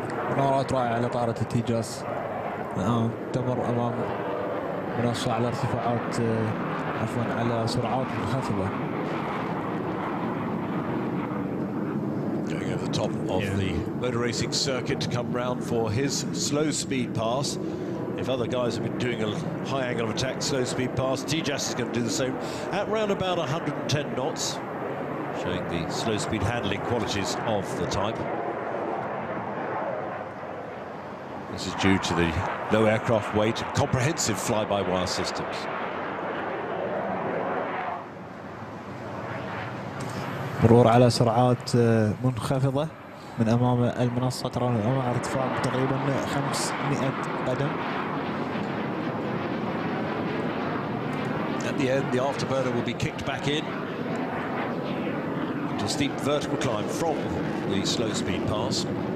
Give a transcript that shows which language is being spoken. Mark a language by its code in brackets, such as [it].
[ar] مرات رائعة لطائرة التيجاس الآن تمر أمام منصة على ارتفاعات عفوا على سرعات منخفضة. [en] Going over the top of the motor racing circuit to come round for his slow speed pass. If other guys have been doing a high angle of attack slow speed pass, Tejas is going to do the same at round about 110 knots, showing the slow speed handling qualities of the type. This is due to the low aircraft weight and comprehensive fly-by-wire systems. [ar] مرور على سرعات منخفضة من أمام المنصة، ترون ارتفاع تقريبا 500 قدم. [en] At the end, the afterburner will be kicked back in. A steep vertical climb from the slow speed pass.